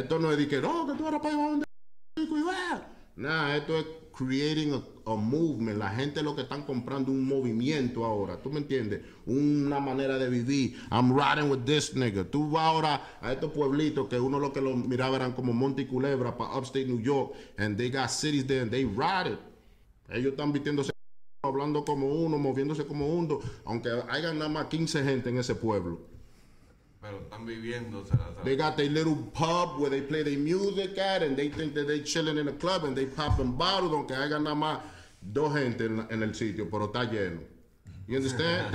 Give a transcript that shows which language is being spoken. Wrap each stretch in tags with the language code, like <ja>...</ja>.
<es>Esto no es de que no, que tú vas a rapar y vas a donde nah, esto es</es> <en>creating a movement.</en> <es>La gente lo que están comprando un movimiento ahora. ¿Tú me entiendes? Una manera de vivir.</es> <en>I'm riding with this nigga.</en> <es>Tú vas ahora a estos pueblitos que uno lo que lo miraba eran como Monte Culebra para upstate New York.</es> <en>And they got cities there and they ride it.</en> <es>Ellos están vistiéndose, hablando como uno, moviéndose como uno. Aunque hayan nada más 15 gente en ese pueblo. Pero están viviéndose.</es> <en>They got their little pub where they play their music at and they think that they chilling in a club and they popping bottles,</en> <es>aunque hagan nada más 2 gente en el sitio, pero está lleno.</es> <en>You understand?</en>